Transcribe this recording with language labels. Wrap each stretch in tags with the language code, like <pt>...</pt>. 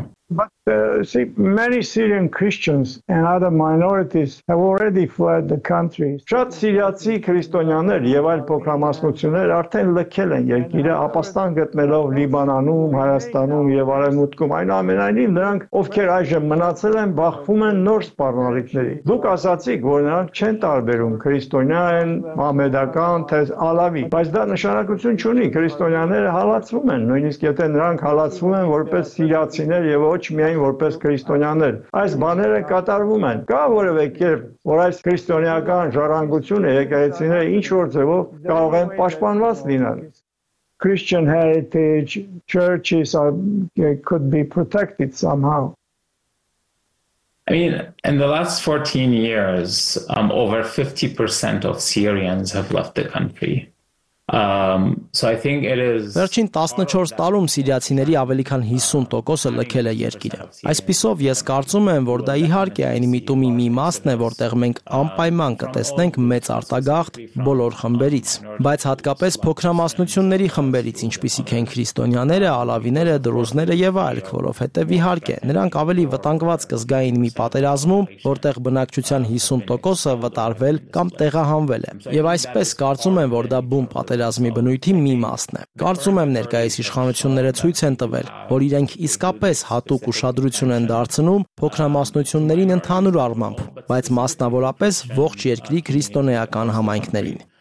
<en>But see, many Syrian Christians and other minorities have already fled the country.</en> <hy>Շատ սիրիացի քրիստոնյաներ եւ այլ փոքրամասնություններ արդեն լքել են երկիրը, ապաստան գտնելով Լիբանանում, Հայաստանում եւ Արևմուտքում։ Այնուամենայնիվ, նրանք, ովքեր այժմ մնացել են, բախվում են նոր սպառնալիքների։ Դուք ասացիք, որ նրանք չեն տարբերում քրիստոնյա են, մահմեդական, թե ալավի, բայց դա նշանակություն չունի, քրիստոնյաները հալածվում են, նույնիսկ եթե նրանք հալածվում են որպես սիրիացիներ եւ ոչ միայն որպես քրիստոնյաներ։ Այս բաները կատարվում են։ Կա որևէ կերպ, որ այս քրիստոնեական ժառանգությունը եկեղեցիները ինչ որ ձևով կարող են պաշտպանված լինել։</hy> <en>Christian heritage churches could be protected somehow. I mean, in the last 14 years, over 50% of Syrians have left the country. So I think it is</en> <hy>Վերջին 14 տարում սիրիացիների ավելի քան 50%-ը լքել է երկիրը։ Այսպիսով ես կարծում եմ, որ դա իհարկե այն միտումի մի մասն է, որտեղ մենք անպայման կտեսնենք մեծ արտագաղթ բոլոր խմբերից, բայց հատկապես փոքրամասնությունների խմբերից, ինչպիսիք են քրիստոնյաները, ալավիները, դրուզները եւ այլք, որովհետեւ իհարկե նրանք ավելի վտանգված կզգային մի պատերազմում, որտեղ բնակչության 50%-ը վտարվել կամ տեղահանվել է։ Եվ այսպես կարծում եմ, որ դա բում պատերազմի բնույթի մի մասն է։ Կարծում եմ, ներկայիս իշխանությունները ցույց են տվել, որ իրենք իսկապես հատուկ ուշադրություն են դարձնում փոքրամասնություններին ընդհանուր առմամբ, բայց մասնավորապես ողջ երկրի քրիստոնեական համայնքներին։</hy>